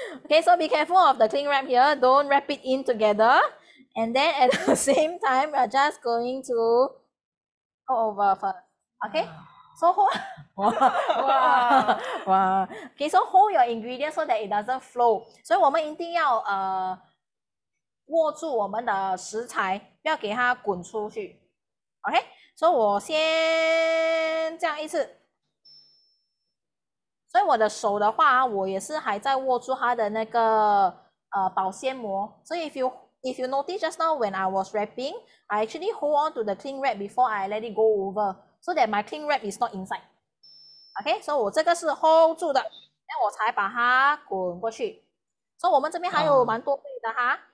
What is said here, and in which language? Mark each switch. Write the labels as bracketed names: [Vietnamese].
[English] Okay, so be careful of the cling wrap here, don't wrap it in together, and then at the same time, we're just going to go over first. Okay. So hold, wow, wow, wow. Okay, so hold your ingredients so that it doesn't flow. [Chinese] 所以我们一定要握住我们的食材，不要给它滚出去。 [English] Okay, so [Chinese] 我先这样一次。所以我的手的话，我也是还在握住它的那个保鲜膜。 [English] So if you notice just now when I was wrapping, I actually hold on to the cling wrap before I let it go over. So that my cling wrap is not inside. Okay, so [Chinese] 我这个是 hold 住的，那我才把它滚过去。 So 我们这边还有蛮多倍的哈。